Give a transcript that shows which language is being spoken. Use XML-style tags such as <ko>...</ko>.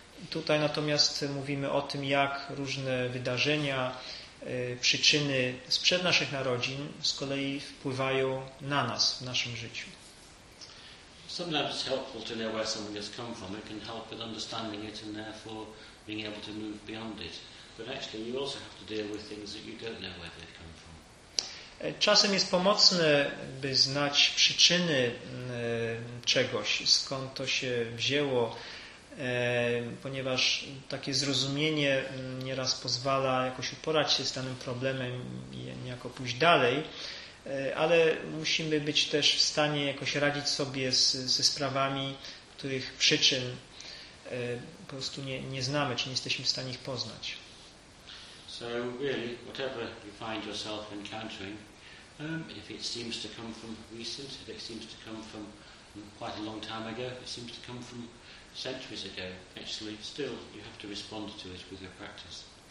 <pl>Tutaj natomiast mówimy o tym, jak różne wydarzenia, przyczyny sprzed naszych narodzin z kolei wpływają na nas w naszym życiu.</pl> <en>Sometimes it's helpful to know where someone has come from. It can help with understanding it and therefore being able to move beyond it. But actually you also have to deal with things that you don't know where they come from.</en> <pl>Czasem jest pomocne, by znać przyczyny czegoś, skąd to się wzięło, ponieważ takie zrozumienie nieraz pozwala jakoś uporać się z danym problemem i niejako pójść dalej, ale musimy być też w stanie jakoś radzić sobie ze sprawami, których przyczyn po prostu nie znamy, czy nie jesteśmy w stanie ich poznać.</pl> <en>So really, whatever you find yourself encountering, if it seems to come from recent, if it seems to come from quite a long time ago, if it seems to come from centuries ago, actually, still you have to respond to it with your practice.</en>